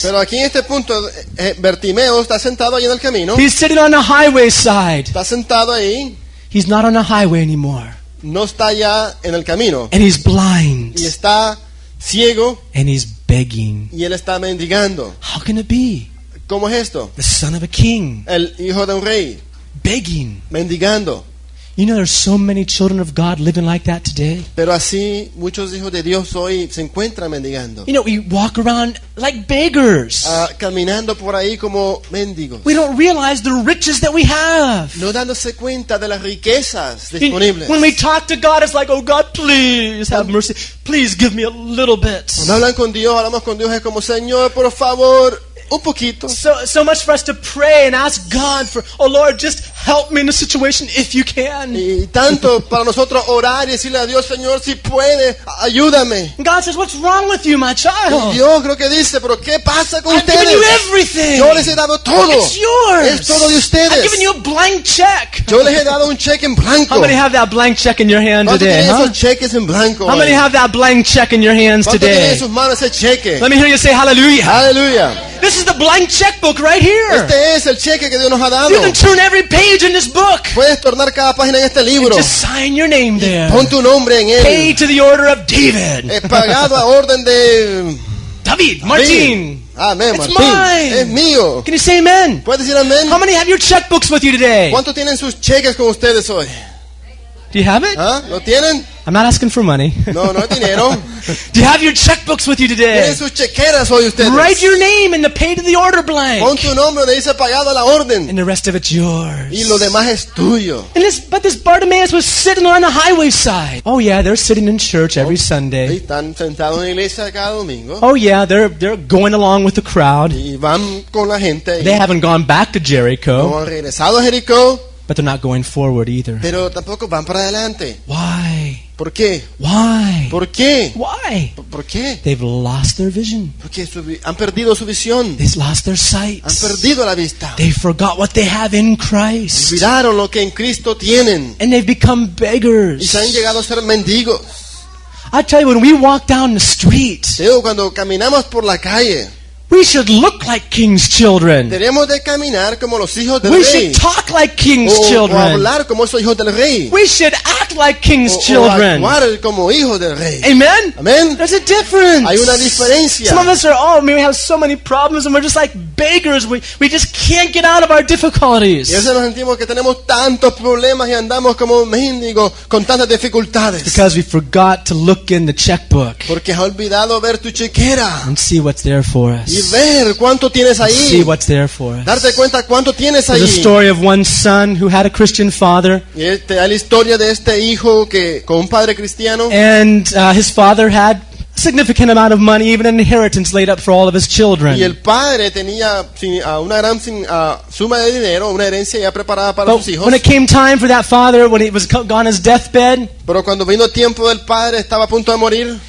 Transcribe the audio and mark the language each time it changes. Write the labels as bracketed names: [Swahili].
[Spanish] Pero aquí en este punto, Bartimeo está sentado ahí en el camino. [English] He's sitting on the highway side. [Spanish] Está sentado ahí. [English] He's not on the highway anymore. [Spanish] No está ya en el camino. [English] And he's blind. [Spanish] Y está ciego. [English] And he's begging. [Spanish] Y él está mendigando. [English] How can it be? [Spanish] ¿Cómo es esto? [English] The son of a king. [Spanish] El hijo de un rey. [English] Begging. [Spanish] Mendigando. [English] You know, there's so many children of God living like that today. [Spanish] Pero así muchos hijos de Dios hoy se encuentran mendigando. [English] You know, we walk around like beggars. [Spanish] Caminando por ahí como mendigos. [English] We don't realize the riches that we have. [Spanish] No dándose cuenta de las riquezas disponibles. [English] When we talk to God, it's like, oh God, please have mercy. Please give me a little bit. [Spanish] Cuando hablan con Dios, hablamos con Dios es como, Señor, por favor. Un poquito. [English] So much for us to pray and ask God for, oh Lord, just help me in the situation if you can. [Spanish] Y tanto para nosotros orar y decirle a Dios, Señor, si puede, ayúdame. [English] God says, what's wrong with you, my child? [Spanish] Dios creo que dice, pero ¿qué pasa con [English] I've [Spanish] ustedes? [English] I've given you everything. [Spanish] Yo les he dado todo. [English] It's yours. [Spanish] Es todo de ustedes. [English] I've given you a blank check. [Spanish] Yo les he dado un cheque en blanco. [English] How many have that blank check in your hand today? [Spanish] ¿Cuántos tienen esos cheques en blanco? [English] How many have that blank check in your hands today? [Spanish] ¿Cuántos tienen esos manos ese cheque? [English] Let me hear you say hallelujah. Hallelujah. This is the blank checkbook right here. [Spanish] Este es el cheque que Dios nos ha dado. [English] You can turn every page in this book. [Spanish] Puedes tornar cada página en este libro. [English] And just sign your name there. [Spanish] Pon tu nombre en él. [English] Paid to the order of David. [Spanish] He pagado a orden de David. Martín. [English] Amen, it's mine. [Spanish] Es mío. [English] Can you say amen? [Spanish] ¿Puedes decir amen? [English] How many have your checkbooks with you today? [Spanish] ¿Cuántos tienen sus cheques con ustedes hoy? [English] Do you have it? [Spanish] ¿Ah? ¿Lo tienen? [English] I'm not asking for money. [Spanish] No, no dinero. [English] Do you have your checkbooks with you today? [Spanish] ¿Tienen sus chequeras hoy ustedes? [English] Write your name in the pay to the order blank. [Spanish] Pon tu nombre donde dice pagado a la orden. [English] And the rest of it's yours. [Spanish] Y lo demás es tuyo. [English] And this Bartimaeus was sitting on the highway side. Oh yeah, they're sitting in church every Sunday. [Spanish] Y están sentados en la iglesia cada domingo. [English] Oh yeah, they're going along with the crowd. [Spanish] Y van con la gente. [English] They haven't gone back to Jericho. [Spanish] No han regresado a Jericó. [English] But they're not going forward either. [Spanish] Pero tampoco van para adelante. [English] Why? [Spanish] ¿Por qué? [English] Why? [Spanish] ¿Por qué? [English] Why? [Spanish] ¿Por qué? [English] They've lost their vision. [Spanish] Porque han perdido su visión. [English] They've lost their sight. [Spanish] Han perdido la vista. [English] They forgot what they have in Christ. [Spanish] Olvidaron lo que en Cristo tienen. [English] And they've become beggars. [Spanish] Y se han llegado a ser mendigos. [English] I tell you, when we walk down the street, [Spanish] digo, cuando caminamos por la calle, [English] we should look like king's children. [Spanish] Tenemos de caminar como los hijos del [English] we [Spanish] rey. [English] Should talk like king's children. [Spanish] O hablar como esos hijos del rey. [English] We should act like king's children. [Spanish] O actuar como hijos del rey. [English] Amen? Amen. There's a difference. [Spanish] Hay una diferencia. [English] Some of us are, oh, maybe we have so many problems and we're just like beggars. We just can't get out of our difficulties. [Spanish] Y eso nos sentimos que tenemos tantos problemas y andamos como mendigos con tantas dificultades. [English] Because we forgot to look in the checkbook. [Spanish] Porque has olvidado ver tu chequera. [English] And see what's there for us. [Spanish] Y ver cuánto tienes ahí. [English] See what's there for us. [Spanish] Darte cuenta cuánto tienes ahí. [English] There's a story of one son who had a Christian father. [Spanish] Y hay la historia de este hijo que con un padre cristiano. [English] And his father had a significant amount of money, even an inheritance laid up for all of his children. [Spanish] Y el padre tenía una gran suma de dinero, una herencia ya preparada para sus hijos. [English] When it came time for that father, when he was on his deathbed. [Spanish] Pero cuando vino el tiempo del padre, estaba a punto de morir.